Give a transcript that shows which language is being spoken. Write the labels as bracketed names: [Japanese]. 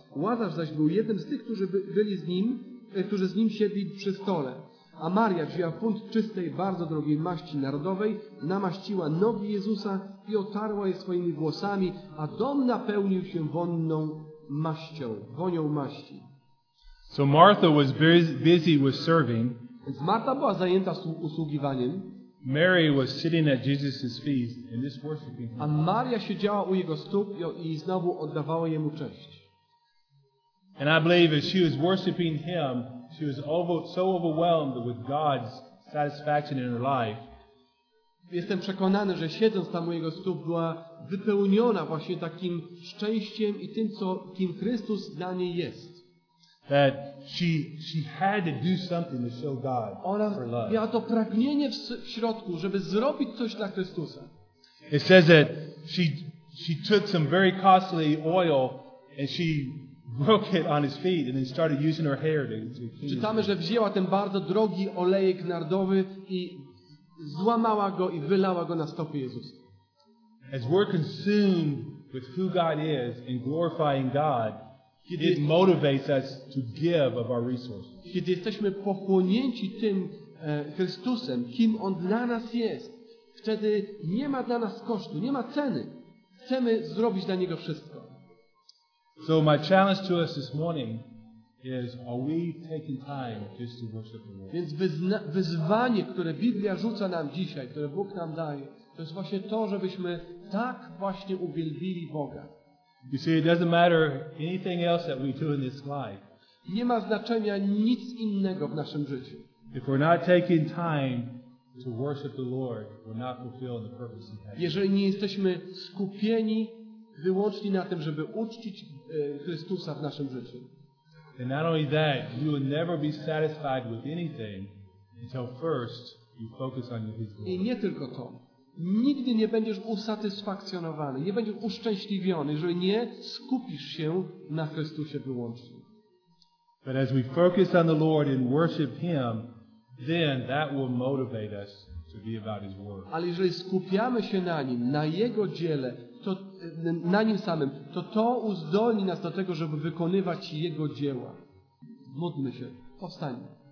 [Polish] Łazarz zaś był jednym z tych, którzy byli z nim, którzy z nim siedli przy stole. A Maria wzięła funt czystej, bardzo drogiej maści narodowej, namaściła nogi Jezusa i otarła je swoimi włosami, a dom napełnił się wonną maścią, wonią maści. [English] So Martha was busy with serving. [Polish] Więc Marta była zajęta usługiwaniem. [English] Mary was sitting at Jesus' feet and just worshiping him. [Polish] A Maria siedziała u jego stóp i znowu oddawała jemu cześć. [English] And I believe as she was worshiping him, she was so overwhelmed with God's satisfaction in her life. [Polish] Jestem przekonany, że siedząc tam u jego stóp była wypełniona właśnie takim szczęściem i tym, co kim Chrystus dla niej jest. [English] That she had to do something to show God her love. [Polish] Miała to pragnienie w środku, żeby zrobić coś dla Chrystusa. [English] It says that she took some very costly oil and she broke it on his feet and then started using her hair to clean. [Polish] Czytamy, że wzięła ten bardzo drogi olejek nardowy i złamała go i wylała go na stopy Jezusa. [English] As we're consumed with who God is and glorifying God, it motivates us to give of our resources. [Polish] Kiedy jesteśmy pochłonięci tym Chrystusem, kim On dla nas jest, wtedy nie ma dla nas kosztu, nie ma ceny. Chcemy zrobić dla Niego wszystko. [English] So my challenge to us this morning is, are we taking time just to worship the Lord? [Polish] Więc wyzwanie, które Biblia rzuca nam dzisiaj, które Bóg nam daje, to jest właśnie to, żebyśmy tak właśnie uwielbili Boga. [English] You see, it doesn't matter anything else that we do in this life. [Polish] Nie ma znaczenia nic innego w naszym życiu. [English] If we're not taking time to worship the Lord, we're not fulfilling the purpose He has. [Polish] Jeżeli nie jesteśmy skupieni wyłącznie na tym, żeby uczcić Chrystusa w naszym życiu. [English] And not only that, you will never be satisfied with anything until first you focus on His glory. [Polish] I nie tylko to. Nigdy nie będziesz usatysfakcjonowany, nie będziesz uszczęśliwiony, jeżeli nie skupisz się na Chrystusie wyłącznie. [English] But as we focus on the Lord and worship Him, then that will motivate us to be about His word. [Polish] Ale jeżeli skupiamy się na Nim, na Jego dziele, to na Nim samym, to to uzdolni nas do tego, żeby wykonywać Jego dzieła. Módlmy się, powstańmy.